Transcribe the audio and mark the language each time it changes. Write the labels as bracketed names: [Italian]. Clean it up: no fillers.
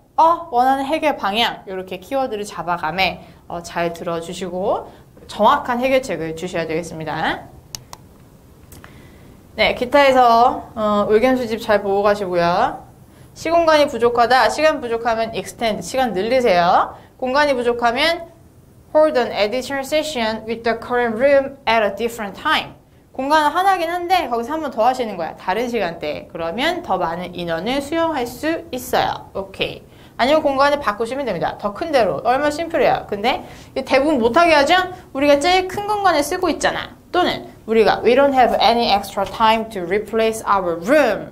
[Korean] 원하는 해결 방향! 이렇게 키워드를 잡아가며 잘 들어주시고 정확한 해결책을 주셔야 되겠습니다. 네, 기타에서 의견수집 잘 보고 가시고요. 시공간이 부족하다, 시간 부족하면 extend, 시간 늘리세요. 공간이 부족하면 [English] hold an additional session with the current room at a different time. [Korean] 공간은 하나긴 한데 거기서 한 번 더 하시는 거야. 다른 시간대. 그러면 더 많은 인원을 수용할 수 있어요. 오케이. 아니면 공간을 바꾸시면 됩니다. 더 큰 데로. 얼마나 심플해요. 근데 대부분 못하게 하죠? 우리가 제일 큰 공간을 쓰고 있잖아. 또는 우리가 [English] We don't have any extra time to replace our room.